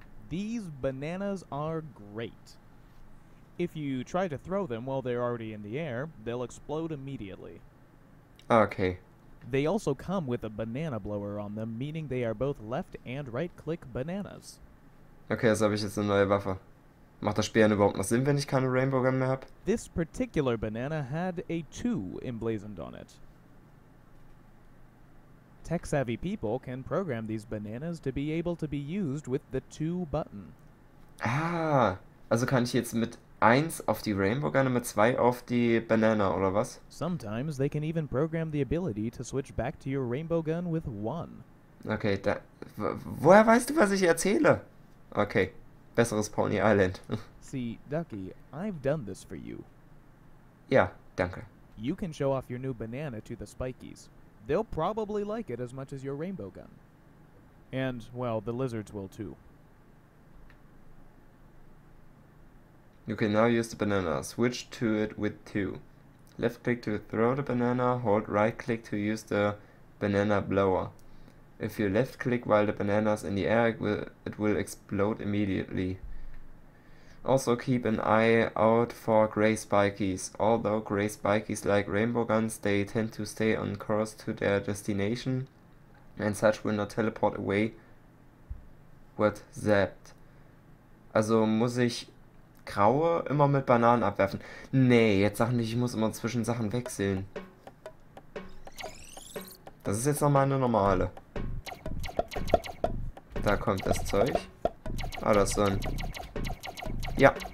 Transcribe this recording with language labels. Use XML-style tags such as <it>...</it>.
<en>These bananas are great. If you try to throw them while they're already in the air, they'll explode immediately. Okay. They also come with a banana blower on them, meaning they are both left and right click bananas.</en> <de>Okay, also habe ich jetzt eine neue Waffe. Macht das Spielen überhaupt noch Sinn, wenn ich keine Rainbow Gun mehr habe?</de> <en>This particular banana had a 2 emblazoned on it. Tech-savvy people can program these bananas to be able to be used with the 2 button.</en> <de>Ah, also kann ich jetzt mit 1 auf die Rainbow Gun und mit 2 auf die Banana, oder was?</de> <en>Sometimes they can even program the ability to switch back to your Rainbow Gun with 1.</en> <de>Okay, da... Woher weißt du, was ich erzähle? Okay, besseres Pony Island.</de> <en>See, Ducky, I've done this for you.</en> <de>Ja, danke.</de> <en>You can show off your new banana to the Spikies. They'll probably like it as much as your Rainbow Gun. And, well, the lizards will too. You can now use the banana. Switch to it with 2. Left click to throw the banana, hold right click to use the banana blower. If you left click while the banana is in the air, it will explode immediately. Also keep an eye out for gray spikies. Although gray spikies like rainbow guns, they tend to stay on course to their destination, and such will not teleport away with zapped.</en> <de>Also muss ich graue immer mit Bananen abwerfen? Nee, jetzt sag nicht, ich muss immer zwischen Sachen wechseln. Das ist jetzt nochmal eine normale. Da kommt das Zeug. Ah, das ist so ein... Ja.</de>